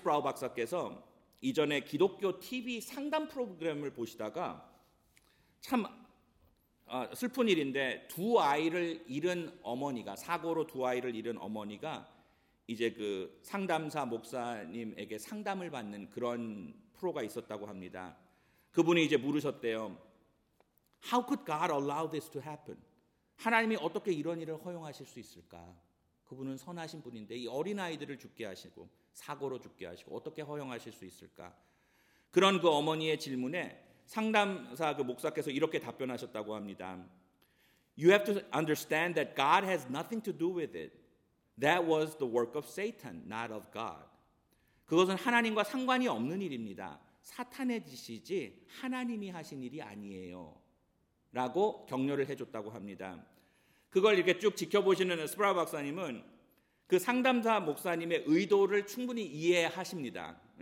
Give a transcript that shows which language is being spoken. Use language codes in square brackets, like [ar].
[ko] 스프라우 박사께서 이전에 기독교 TV 상담 프로그램을 보시다가 참 슬픈 일인데 두 아이를 잃은 어머니가, 사고로 두 아이를 잃은 어머니가 이제 그 상담사 목사님에게 상담을 받는 그런 프로가 있었다고 합니다. 그분이 이제 물으셨대요. [en] How could God allow this to happen? [ko] 하나님이 어떻게 이런 일을 허용하실 수 있을까? 그분은 선하신 분인데 이 어린아이들을 죽게 하시고 사고로 죽게 하시고 어떻게 허용하실 수 있을까? 그런 그 어머니의 질문에 상담사 그 목사께서 이렇게 답변하셨다고 합니다. [en] You have to understand that God has nothing to do with it. That was the work of Satan, not of God. [ko] 그것은 하나님과 상관이 없는 일입니다. 사탄의 짓이지 하나님이 하신 일이 아니에요. 라고 격려를 해줬다고 합니다. 그걸 이렇게 쭉 지켜보시는 스프라 박사님은 그 상담사 목사님의 의도를 충분히 이해하십니다.